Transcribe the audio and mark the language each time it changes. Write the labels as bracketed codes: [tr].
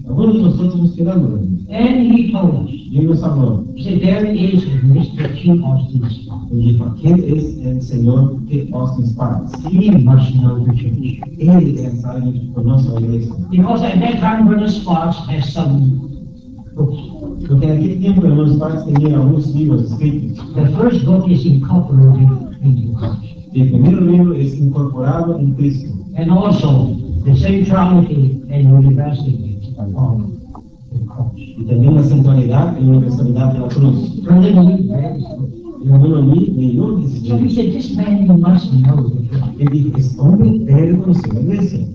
[en] And he told us, there is Mr. King Austin Sparks. He must know the church. Because at that time, Brother Sparks has some books. [es] Porque en aquel tiempo el hermano Sparks tenía algunos libros escritos. [en] The first book is incorporated in Christ. [es] El primer libro es incorporado en Cristo. [en] And also the centrality and universality of the cross. [es] Y también la centralidad y universalidad de la cruz. [en] Brother Lee, [es] el hermano Lee leyó ese libro. [en] So he said, this man you must know the cross. [es] Y dijo, es hombre debe conocer la iglesia.